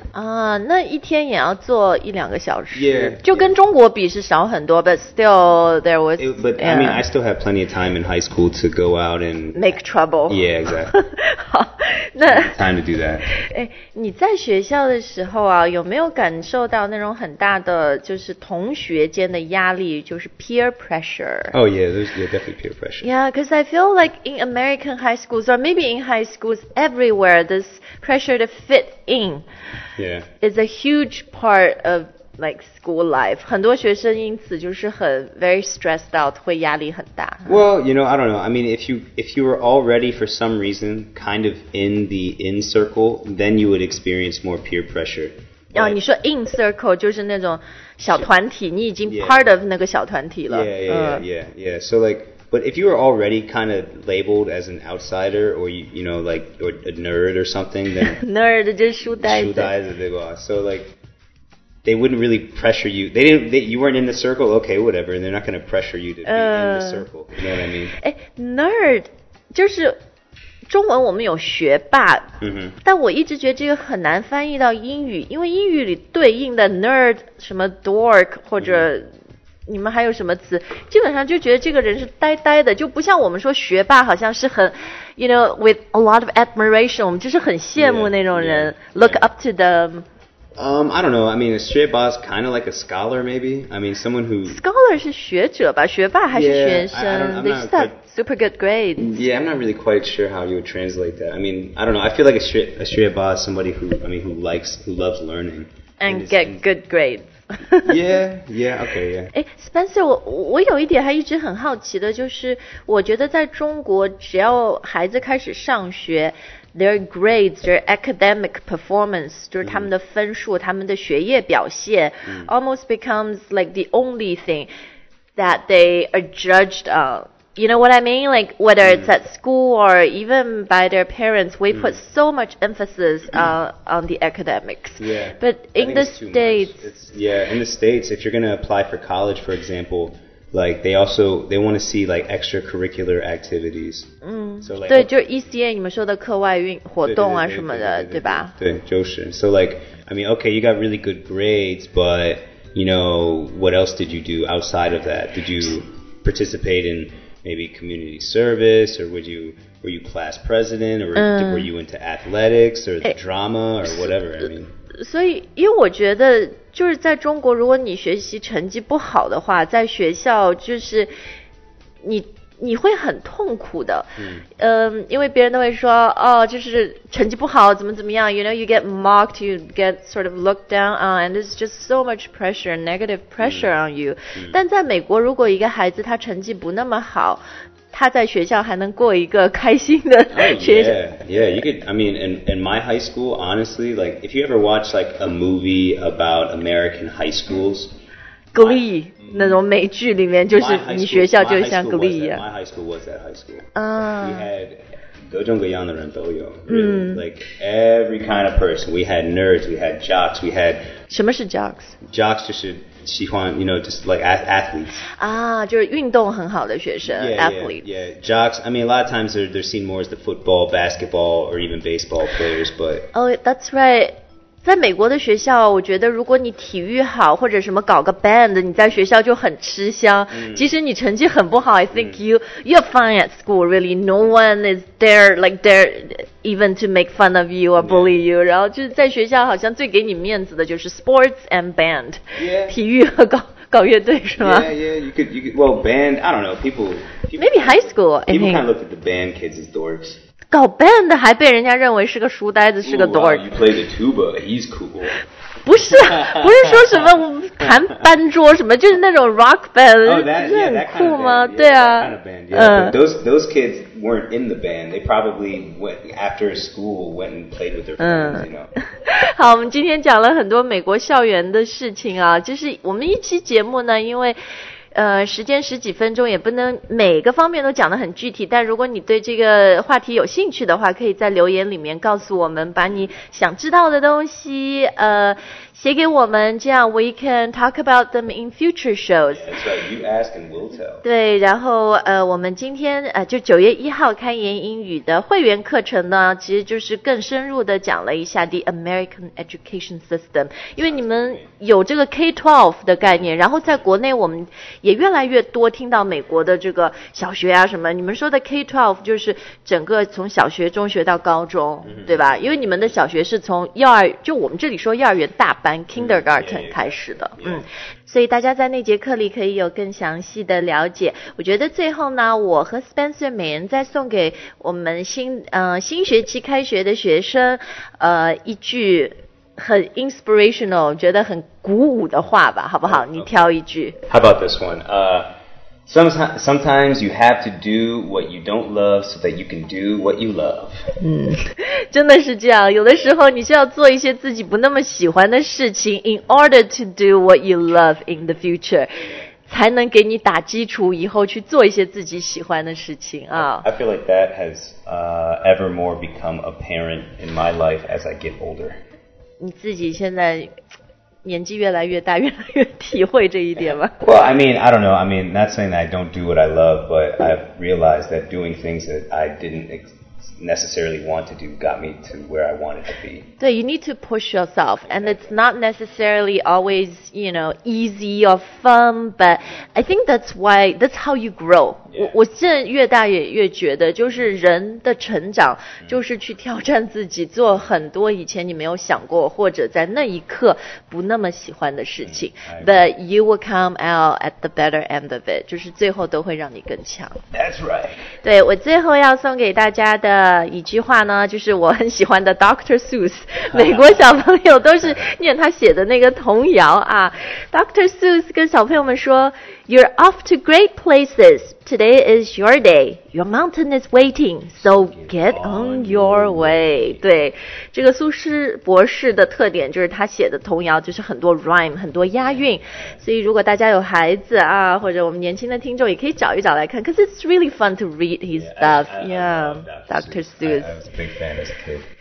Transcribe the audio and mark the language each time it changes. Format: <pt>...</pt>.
<zh>啊，那一天也要做一两个小时。</zh> <en>Yeah.</en> <zh>就跟中国比是少很多,</zh> <en>but still there was... I mean, I still have plenty of time in high school to go out and... Make trouble. Yeah, exactly.</en> <zh>好，那...</zh> <en>Time to do that.</en> <zh>哎，你在学校的时候啊，有没有感受到那种很大的就是同学间的压力，就是 peer pressure?</zh> <en>Oh, yeah, there's definitely peer pressure. Yeah, because I feel like in American high schools, or maybe in high schools everywhere, this pressure to fit in... Yeah. It's a huge part of like school life.</en> <zh>很多学生因此就是很</zh> <en>very stressed out,</en> <zh>会压力很大。</zh> <en>Well, you know, I don't know. I mean, if you were already for some reason kind of in the in circle, then you would experience more peer pressure.</en> <zh>Like, 你说 in circle 就是那种小团体，你已经</zh> <en>part of</en> <zh>那个小团体了。</zh> <en>Yeah. So like, but if you were already kind of labeled as an outsider or you know, or a nerd or something, then</en> <zh>nerd 就是书呆子，书呆子对吧？</zh> <en>So like, they wouldn't really pressure you. They didn't. You weren't in the circle. Okay, whatever. And they're not going to pressure you to be in the circle. You know what I mean?</en> <zh>哎 ，nerd 就是中文我们有学霸， mm-hmm. 但我一直觉得这个很难翻译到英语，因为英语里对应的 nerd 什么 dork 或者、mm-hmm.。你们还有什么词？基本上就觉得这个人是呆呆的，就不像我们说学霸，好像是很 ，</zh> <en>you know, with a lot of admiration，</en> <zh>我们就是很羡慕那种人 ，</zh> <en>look up to them. I don't know. I mean, a straight boss kind of like a scholar, maybe. I mean, someone who</en> <zh>scholar 是学者吧？学霸还是学生</zh> <en>？They just have super good grades. Yeah, I'm not really quite sure how you would translate that. I mean, I don't know. I feel like a straight boss, somebody who loves learning and get good grades. yeah, okay, yeah.</en> <zh>诶 Spencer, 我有一点还一直很好奇的就是我觉得在中国只要孩子开始上学</zh> <en>their grades, their academic performance,</en> <zh>就是他们的分数、mm. 他们的学业表现、mm.</zh> <en>almost becomes like the only thing that they are judged on. You know what I mean? Like whether、mm. it's at school or even by their parents, we、mm. put so much emphasis、mm. on the academics. Yeah. But in the States... Yeah, in the States, if you're going to apply for college, for example, like they want to see like extracurricular activities.、 Mm.</en> <zh>So like, 对就是 ECA 你们说的课外运活动啊什么的对吧对就是</zh> <en>So like, I mean, okay, you got really good grades, but you know, what else did you do outside of that? Did you participate in... Maybe community service, or were you class president, or、嗯、 were you into athletics, or the drama, or whatever, I mean.</en> <zh>所以因为我觉得就是在中国如果你学习成绩不好的话在学校就是你会很痛苦的、嗯、因为别人都会说哦就是成绩不好怎么怎么样</zh> <en>you know, you get mocked, you get sort of looked down on, and it's just so much pressure, negative pressure、 on you.、嗯、</en> <zh>但在美国如果一个孩子他成绩不那么好他在学校还能过一个开心的学校。</zh> <en>I mean, in my high school, honestly, like, if you ever watch, like, a movie about American high schools, Glee.</en> <zh>那种美剧里面就是你学校就像 Glee 一样</zh> <en>my high school was that high school、 we had</en> <zh>各种各样的人都有、really.</zh> <en>like every kind of person we had nerds we had jocks we had</en> <zh>什么是 jocks?</zh> <en>jocks</en> <zh>就是喜欢</zh> <en>you know just like athletes</en> <zh>啊、就是运动很好的学生</zh> <en>athletes jocks I mean a lot of times they're seen more as the football basketball or even baseball players but</en> <zh>oh that's right在美国的学校我觉得如果你体育好或者什么搞个 band 你在学校就很吃香、 mm. 即使你成绩很不好</zh> <en>I think、</en> <zh>mm.</zh> <en>you're fine at school really no one is there like there even to make fun of you or bully you、 yeah.</en> <zh>然后就是在学校好像最给你面子的就是</zh> <en>sports and band、 yeah.</en> <zh>体育和搞乐队是吗</zh> <en>you could, well band I don't know people maybe high school people kind of look at the band kids as dorks</en> <zh>搞 band 还被人家认为是个书呆子，是个 dork。</zh> <en>Wow, you play the tuba, he's cool.</en> <zh>不是，不是说什么弹班桌什么，就是那种 rock band，、</zh> <en>oh, that,</en> <zh>是很酷吗？</zh> <en>Yeah,</en> <zh>对啊。</zh> <en>Kind of band, yeah. Those kids weren't in the band. They probably went after school, went and played with their friends, you know.</en> <zh>好，我们今天讲了很多美国校园的事情啊，就是我们一期节目呢，因为。时间十几分钟也不能每个方面都讲得很具体但如果你对这个话题有兴趣的话可以在留言里面告诉我们把你想知道的东西写给我们，这样</zh> <en>we can talk about them in future shows. Yeah, that's right. You ask and we'll tell.</en> <zh>对，然后我们今天就九月一号开言英语的会员课程呢，其实就是更深入的讲了一下</zh> <en>the American education system.</en> <zh>因为你们有这个 K-12 的概念，然后在国内我们也越来越多听到美国的这个小学啊什么。你们说的 K-12 就是整个从小学、中学到高中，对吧？因为你们的小学是从幼儿，就我们这里说幼儿园大班 kindergarten 开始的，所以大家在那节课里可以有更详细的了解。我觉得最后呢，我和 Spencer 每人再送给我们新学期开学的学生，一句很 inspirational， 觉得很鼓舞的话吧，好不好？你挑一句。</zh> <en>How about this one? Sometimes you have to do what you don't love so that you can do what you love.</en> <zh>真的是这样，有的时候你需要做一些自己不那么喜欢的事情</zh> <en>in order to do what you love in the future,</en> <zh>才能给你打基础以后去做一些自己喜欢的事情啊。</zh> <en>I feel like that has ever more become apparent in my life as I get older.</en> <zh>你自己现在年纪越来越大，越来越体会这一点吗？</zh> <en>Well, I mean, I don't know. I mean, not saying that I don't do what I love, but I've realized that doing things that I didn't necessarily want to do got me to where I wanted to be.</en> <zh>对,</zh> <en>you need to push yourself. And it's not necessarily always, you know, easy or fun, but I think that's how you grow. Yeah.</en> <zh>我现在越大越觉得就是人的成长就是去挑战自己，做很多以前你没有想过或者在那一刻不那么喜欢的事情。</zh> <en>But you will come out at the better end of it.</en> <zh>就是最后都会让你更强。</zh> <en>That's right.</en> <zh>对，我最后要送给大家的一句话呢，就是我很喜欢的 Dr. Seuss。美国小朋友都是念他写的那个童谣啊。 Dr.</zh> <en>Seuss</en> <zh>跟小朋友们说，</zh> <en>You're off to great places. Today is your day. Your mountain is waiting, so get on your way.</en> <zh>对，这个苏诗博士的特点就是他写的童谣就是很多 rhyme, 很多押韵。所以如果大家有孩子啊，或者我们年轻的听众也可以找一找来看，</zh> <en>because it's really fun to read his stuff. Dr. Seuss. I was a big fan as a kid.</en>